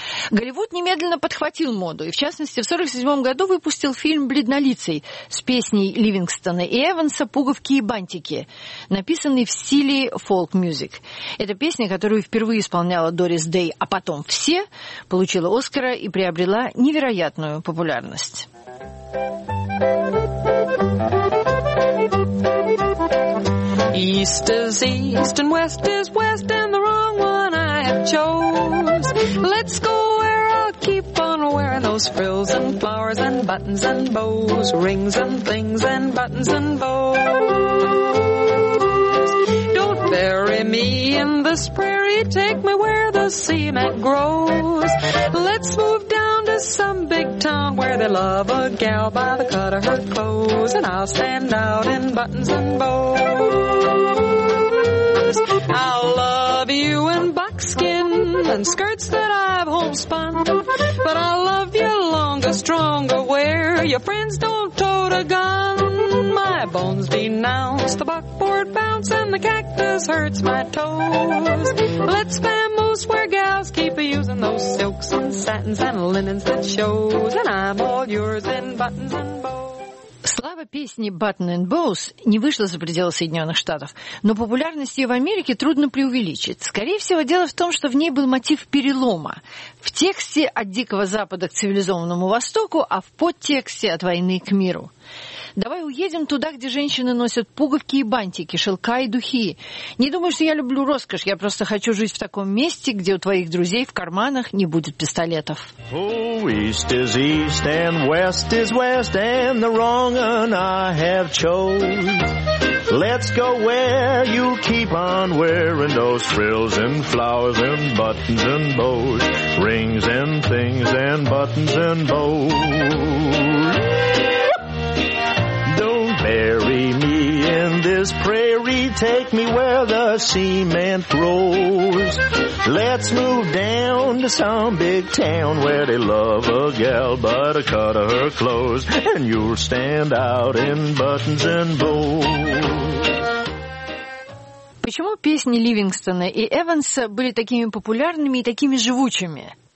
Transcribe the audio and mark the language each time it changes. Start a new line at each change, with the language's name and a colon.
Russian: Голливуд немедленно подхватил моду и, в частности, в 1947 году выпустил фильм «Бледнолицый» с песней Ливингстона и Эванса «Пуговки и бантики», написанный в стиле фолк-мюзик. Эта песня, которую впервые исполняла Дорис Дэй, а потом все, получила Оскара и приобрела невероятную популярность.
English: East is east and west is west and the wrong one I have chose. Let's go where I'll keep on wearing those frills and flowers and buttons and bows. Rings and things and buttons and bows. Don't bury me in this prairie, take me where the cement grows. Let's move down to some big town where they love a gal by the cut of her clothes. And I'll stand out in buttons and bows. I'll love you in buckskin and skirts that I've homespun, but I'll love you longer, stronger, where your friends don't tote a gun. My bones denounce the buckboard bounce and the cactus hurts my toes. Let's famoose where gals keep using those silks and satins and linens that shows, and I'm all yours in buttons and bows.
Russian: Слава песни «Button and Bows» не вышла за пределы Соединенных Штатов, но популярность ее в Америке трудно преувеличить. Скорее всего, дело в том, что в ней был мотив перелома. В тексте «От Дикого Запада к цивилизованному Востоку», а в подтексте «От войны к миру». «Давай уедем туда, где женщины носят пуговки и бантики, шелка и духи. Не думай, что я люблю роскошь, я просто хочу жить в таком месте, где у твоих друзей в карманах не будет пистолетов».
English: Oh, east is east and west is west and the wrong one I have chose. Let's go where you keep on wearing those frills and flowers and buttons and bows. Rings and things and buttons and bows. Bury me in this prairie, take me where the cement grows. Let's move down to some big town where they love a gal by the cut of her clothes. And you'll stand out in buttons and bows.
Russian: Почему песни Ливингстона и Эванса были такими популярными и такими живучими?